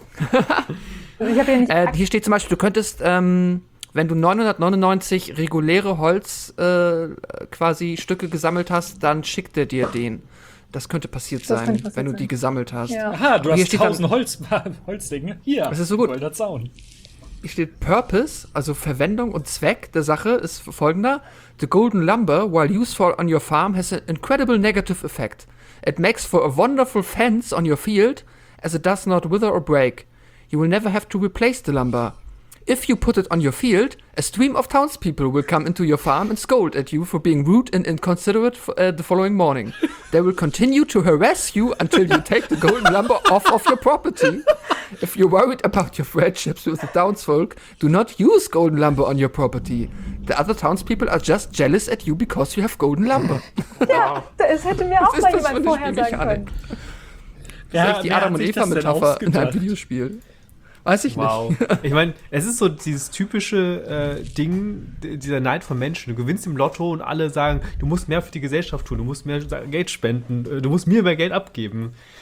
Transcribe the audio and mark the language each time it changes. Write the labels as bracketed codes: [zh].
[de] Also ich hab hier, nicht hier steht zum Beispiel, du könntest, wenn du 999 reguläre Holz quasi Stücke gesammelt hast, dann schickt er dir den. Das könnte passiert das sein, passiert wenn du sein. Die gesammelt hast. Ja. Aha, du hier hast 1000 Holzdinge. Hier, das ist so gut. Goldener Zaun. Hier steht Purpose, also Verwendung und Zweck der Sache ist folgender. [en] The golden lumber, while useful on your farm, has an incredible negative effect. It makes for a wonderful fence on your field, as it does not wither or break. You will never have to replace the lumber. If you put it on your field, a stream of townspeople will come into your farm and scold at you for being rude and inconsiderate the following morning. They will continue to harass you until you take the golden lumber off of your property. If you're worried about your friendships with the townsfolk, do not use golden lumber on your property. The other townspeople are just jealous at you because you have golden lumber. [de] Ja, es hätte mir auch mal jemand vorher sagen können. Das ist die Adam und Eva Metapher in einem Videospiel. Weiß ich nicht. Ich meine, es ist so dieses typische Ding, dieser Neid von Menschen. Du gewinnst im Lotto und alle sagen, du musst mehr für die Gesellschaft tun, du musst mehr Geld spenden, du musst mir mehr Geld abgeben.